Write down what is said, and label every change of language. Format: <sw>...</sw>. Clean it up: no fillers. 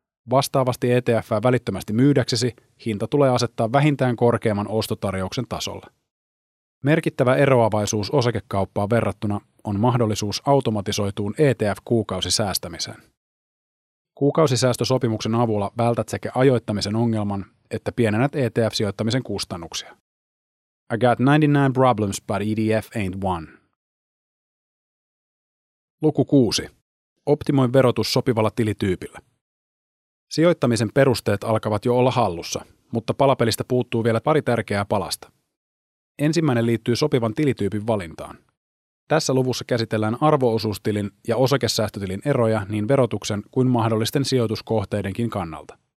<fi>Vastaavasti ETF:ää välittömästi myydäksesi, hinta tulee asettaa vähintään korkeamman ostotarjouksen tasolla. Merkittävä eroavaisuus osakekauppaa verrattuna on mahdollisuus automatisoituun ETF-kuukausisäästämiseen. Kuukausisäästösopimuksen avulla vältät sekä ajoittamisen ongelman että pienennät ETF-sijoittamisen kustannuksia.</fi> <en>I got 99 problems, but EDF ain't one.</en> <fi>Luku 6. Optimoi verotus sopivalla tilityypillä. Sijoittamisen perusteet alkavat jo olla hallussa, mutta palapelistä puuttuu vielä pari tärkeää palasta. Ensimmäinen liittyy sopivan tilityypin valintaan. Tässä luvussa käsitellään arvo-osuustilin ja osakesäästötilin eroja niin verotuksen kuin mahdollisten sijoituskohteidenkin kannalta.</fi>